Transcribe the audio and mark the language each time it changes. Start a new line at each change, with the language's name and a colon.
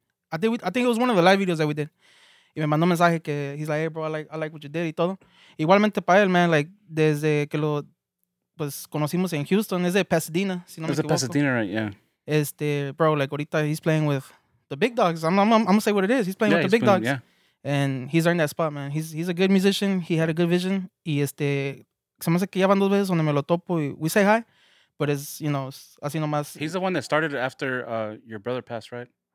English: I think it was one of the live videos that we did.
Spanish: Y me mandó un mensaje que
English: he's like, hey, bro, I like what you did
Spanish: y todo. Igualmente para él, man, like, desde que lo conocimos en Houston, es de Pasadena, si no me equivoco. Es de Pasadena,
English: right, yeah. Bro, like, ahorita he's playing with the big dogs. I'm gonna say what it is. He's playing with the big dogs. Yeah. And he's earned that spot, man. He's a good musician. He had a good vision.
Spanish: Y se me hace que ya van dos veces donde me lo topo y
English: we say hi, but it's, you know,
Spanish: así nomás.
English: He's the one that started after your brother passed, right?